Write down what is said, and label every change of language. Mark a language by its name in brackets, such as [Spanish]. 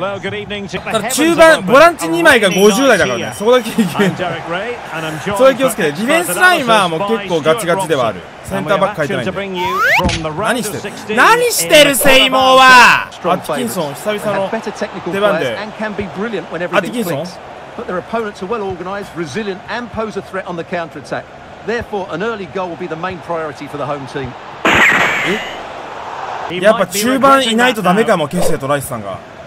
[Japanese] ただ中盤ボランチ2枚が50代だからね、そこだけいけない。そういう気をつけて。ディフェンスラインはもう結構ガチガチではある。センターバック書いてないんで。何してる、何してる、セイモーは。アティキンソン久々の出番で。アティキンソン。 [English] But their opponents are well organized, resilient, and pose a threat on the counter attack. Therefore, an early goal will be the main priority for the home team. [Japanese] え？やっぱ中盤いないとダメかも、ケシェとライスさんが。